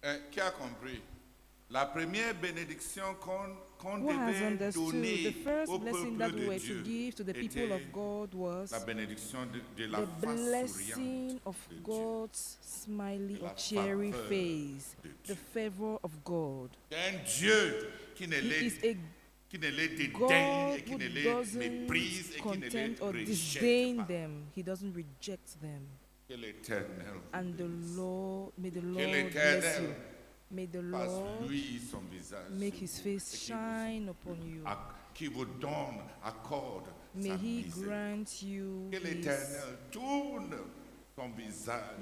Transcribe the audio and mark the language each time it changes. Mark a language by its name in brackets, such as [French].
[French] Qui a compris? La première bénédiction qu'on devait donner au peuple de Dieu était la bénédiction de la face souriante [English] of God's smiley or cherry face, the favor of God. [French] Un Dieu qui ne les dédaigne et qui ne les méprise et qui ne les rejette pas. [English] He doesn't reject them. [French] Que l'Éternel. [English] And the Lord, may the Lord bless you. May the Lord make his face shine upon you. [French] Qui vous donne accord. [English] May he grant you [French] que l'Éternel tourne son visage.